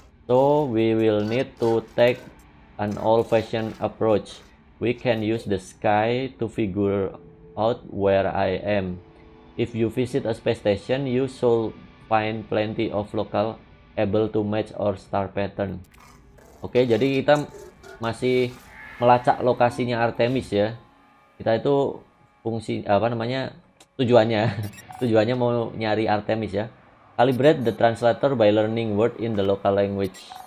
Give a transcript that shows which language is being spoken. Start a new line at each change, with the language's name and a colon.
English: So we will need to take an old-fashioned approach. We can use the sky to figure out where I am. If you visit a space station, you should find plenty of local able to match our star pattern.
Indonesian: Oke, jadi kita masih melacak lokasinya Artemis ya. Kita itu fungsi apa namanya? Tujuannya mau nyari Artemis ya.
English: Calibrate the translator by learning word in the local language.